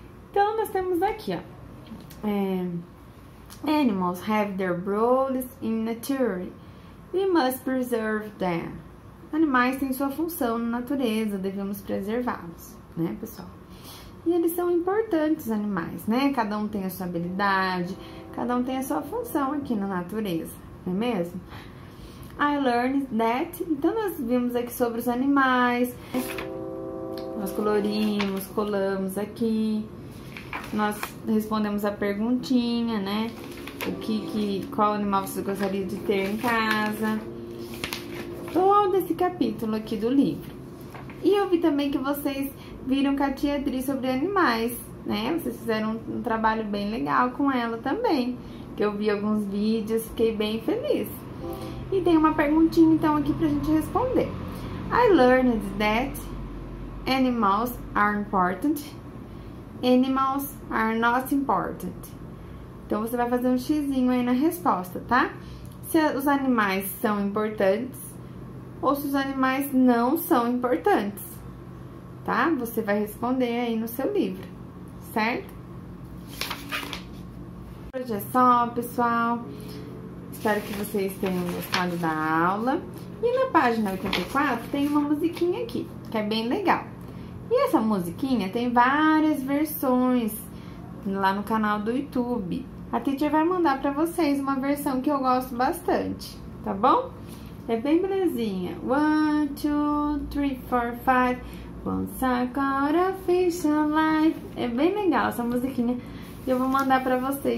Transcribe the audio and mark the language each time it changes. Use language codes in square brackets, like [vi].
[pt] Então, nós temos aqui, ó. [en] Animals have their roles in nature. We must preserve them. [pt] Animais têm sua função na natureza, devemos preservá-los, né, pessoal? E eles são importantes animais, né? Cada um tem a sua habilidade, cada um tem a sua função aqui na natureza, não é mesmo? [en] I learned that. [pt] Então, nós vimos aqui sobre os animais. Nós colorimos, colamos aqui. Nós respondemos a perguntinha, né? Qual animal você gostaria de ter em casa? Todo esse capítulo aqui do livro. E eu vi também que vocês viram com a tia Adri sobre animais, né? Vocês fizeram um trabalho bem legal com ela também, que eu vi alguns vídeos, fiquei bem feliz. E tem uma perguntinha então aqui pra gente responder. [en] I learned that animals are important. Animals are not important. [pt] Então você vai fazer um xizinho aí na resposta, tá? Se os animais são importantes ou se os animais não são importantes, tá? Você vai responder aí no seu livro, certo? Por hoje é só, pessoal. Espero que vocês tenham gostado da aula. E na página 84 tem uma musiquinha aqui, que é bem legal. E essa musiquinha tem várias versões lá no canal do YouTube. A teacher vai mandar para vocês uma versão que eu gosto bastante, tá bom? É bem belezinha. [en] One, two, three, four, five. Once I caught a fish alive. [pt] É bem legal essa musiquinha. E eu vou mandar para vocês então, tá bom? [en] Thank you very much. Have a nice week. Bye.